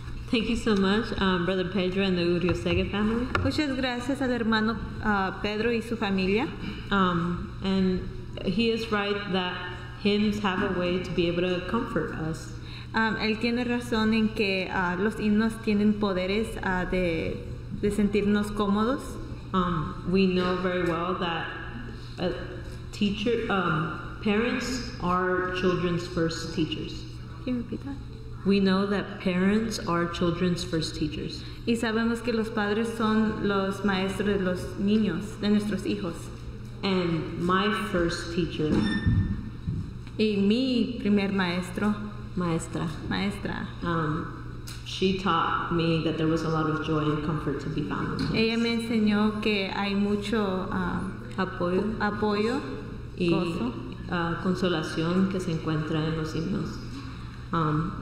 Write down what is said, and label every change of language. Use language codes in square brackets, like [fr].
[en] Thank you so much, Brother Pedro and the Uriosegue family. [es] Muchas gracias al hermano Pedro y su familia. [en] And he is right that hymns have a way to be able to comfort us. [es] Él tiene razón en que los himnos tienen poderes de sentirnos cómodos. [en] We know very well that parents are children's first teachers. Can you repeat that? We know that parents are children's first teachers. [es] Y sabemos que los padres son los maestros de los niños, de nuestros hijos. [en] And my first teacher. [es] Y mi primer maestro. Maestra. Maestra. [en] She taught me that there was a lot of joy and comfort to be found in [es] hymns. Ella me enseñó que hay mucho apoyo y consolación que se encuentra en los himnos.